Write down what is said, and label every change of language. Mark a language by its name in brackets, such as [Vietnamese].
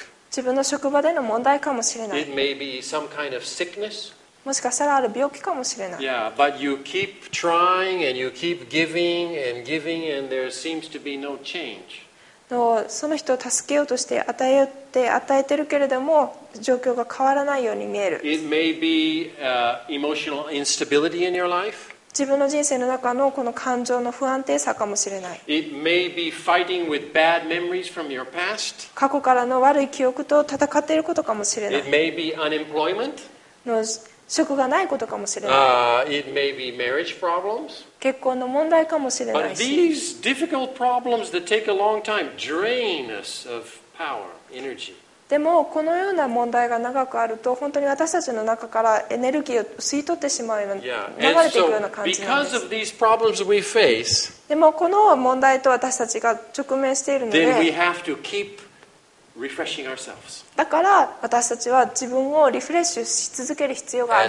[Japanese] 自分の職場での問題かもしれない。自分の職場での問題かもしれない。もしかしたらある病気かもしれない。 [English] Yeah, but you keep trying and you keep giving and giving and there seems to be no change. [Japanese] その人を助けようとして与えてるけれども状況が変わらないように見える。 [English] It may be emotional instability in your life. [Japanese] 自分の人生の中のこの感情の不安定さかもしれない。 [English] It may be fighting with bad memories from your past. [Japanese] 過去からの悪い記憶と戦っていることかもしれない。 [English] It may be unemployment. [Japanese] 職がないことかもしれない。 [English] It may be marriage problems. [Japanese] 結婚の問題かもしれないし。 [English] But these difficult problems that take a long time drain us of power, energy. [Japanese] でもこのような問題が長くあると本当に私たちの中からエネルギーを吸い取ってしまうような、流れていくような感じなんです。 [English] And so because of these problems we face, [Japanese] でもこの問題と私たちが直面しているので、 [English] then we have to keep refreshing ourselves. [Japanese] だから私たちは自分をリフレッシュし続ける必要がある